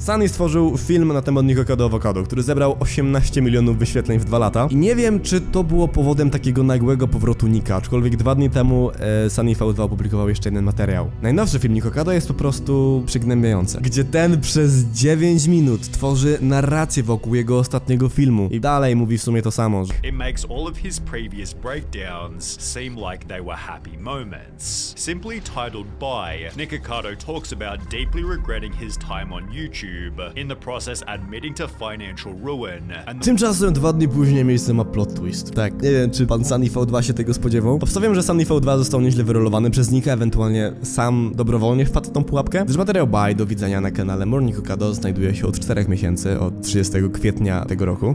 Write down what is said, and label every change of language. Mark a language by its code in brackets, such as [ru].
[pl] Sunny stworzył film na temat Nikocado Avocado, który zebrał 18 milionów wyświetleń w 2 lata. I nie wiem, czy to było powodem takiego nagłego powrotu Tunika, aczkolwiek dwa dni temu Sunny V2 opublikował jeszcze jeden materiał. Najnowszy filmik Okada jest po prostu przygnębiający, gdzie ten przez 9 minut tworzy narrację wokół jego ostatniego filmu i dalej mówi w sumie to samo. [en] It makes all of his previous breakdowns seem like they were happy moments. Simply titled by, Nick Okada talks about deeply regretting his time on YouTube, in the process admitting to financial ruin. [pl] Tymczasem dwa dni później miejsce ma plot twist. Tak, nie wiem, czy pan Sunny V2 się tego spodziewał. Obstawiam, że Sunny V2 został nieźle wyrolowany przez Nika, ewentualnie sam dobrowolnie wpadł w tą pułapkę. Gdyż materiał by do widzenia na kanale Morning Okada znajduje się od 4 miesięcy, od 30 kwietnia tego roku.